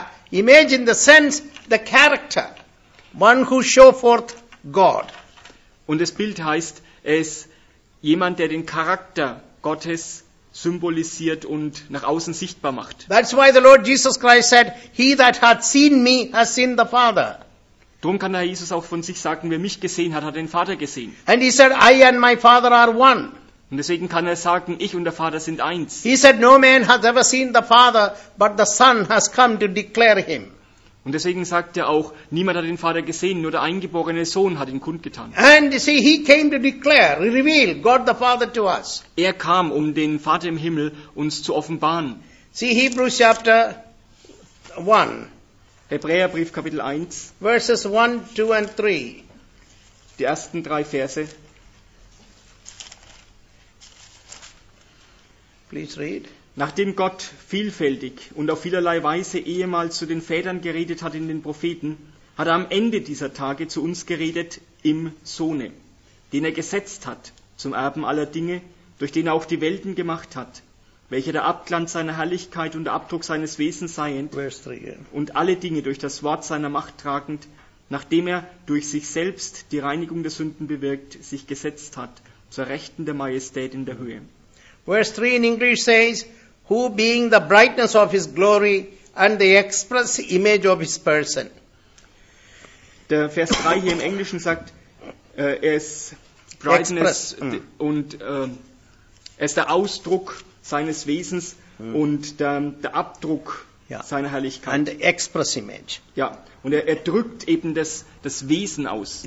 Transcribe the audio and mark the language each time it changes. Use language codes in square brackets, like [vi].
[en] Image in the sense the character. One who show forth God. [de] Und das Bild heißt, er ist jemand, der den Charakter Gottes symbolisiert und nach außen sichtbar macht. [en] That's why the Lord Jesus Christ said, he that hath seen me has seen the Father. [de] Drum kann der Herr Jesus auch von sich sagen, wer mich gesehen hat, hat den Vater gesehen. [en] And he said, I and my Father are one. [de] Und deswegen kann er sagen, ich und der Vater sind eins. [en] He said, no man has ever seen the Father, but the Son has come to declare him. [de] Und deswegen sagt er auch, niemand hat den Vater gesehen, nur der eingeborene Sohn hat ihn kundgetan. [en] And you see, he came to declare, reveal God the Father to us. [de] Er kam, um den Vater im Himmel uns zu offenbaren. [en] See Hebrews chapter 1. [de] Hebräerbrief Kapitel 1. [en] Verses 1, 2 and 3. [de] Die ersten drei Verse. [en] Please read. [de] Nachdem Gott vielfältig und auf vielerlei Weise ehemals zu den Vätern geredet hat in den Propheten, hat er am Ende dieser Tage zu uns geredet im Sohne, den er gesetzt hat zum Erben aller Dinge, durch den er auch die Welten gemacht hat, welcher der Abglanz seiner Herrlichkeit und der Abdruck seines Wesens seiend und alle Dinge durch das Wort seiner Macht tragend, nachdem er durch sich selbst die Reinigung der Sünden bewirkt, sich gesetzt hat zur Rechten der Majestät in der Höhe. [en] Verse 3 in English says, who being the brightness of his glory and the express image of his person. [de] Der Vers 3 hier im Englischen sagt, er ist brightness und er ist der Ausdruck seines Wesens und der Abdruck seiner Herrlichkeit. [en] And the express image. [de] Ja, und er drückt eben das Wesen aus.